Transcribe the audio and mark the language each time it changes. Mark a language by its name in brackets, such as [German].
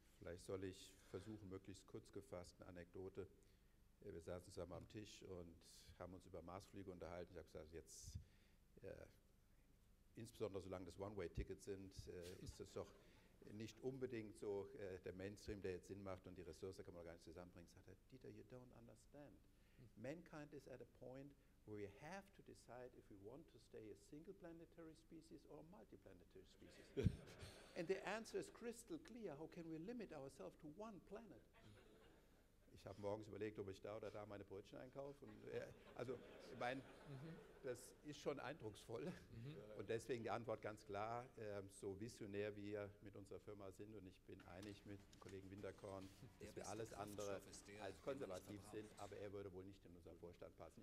[German] Vielleicht soll ich versuchen, möglichst kurz gefasst eine Anekdote. Wir saßen zusammen am Tisch und haben uns über Marsflüge unterhalten. Ich habe gesagt, jetzt, insbesondere solange das One-Way-Tickets sind, ist das doch nicht unbedingt so der Mainstream, der jetzt Sinn macht und die Ressourcen kann man gar nicht zusammenbringen. Sagt er, [English] Dieter, you don't understand. Mankind is at a point where we have to decide if we want to stay a single planetary species or a multiplanetary species. And the answer is crystal clear. How can we limit ourselves to one planet? [German] Ich habe morgens überlegt, ob ich da oder da meine Brötchen einkaufe. Und, also, ich meine, das ist schon eindrucksvoll. Und deswegen die Antwort ganz klar, so visionär wie wir mit unserer Firma sind, und ich bin einig mit dem Kollegen Winterkorn, dass wir alles andere als konservativ sind, aber er würde wohl nicht in unseren Vorstand passen.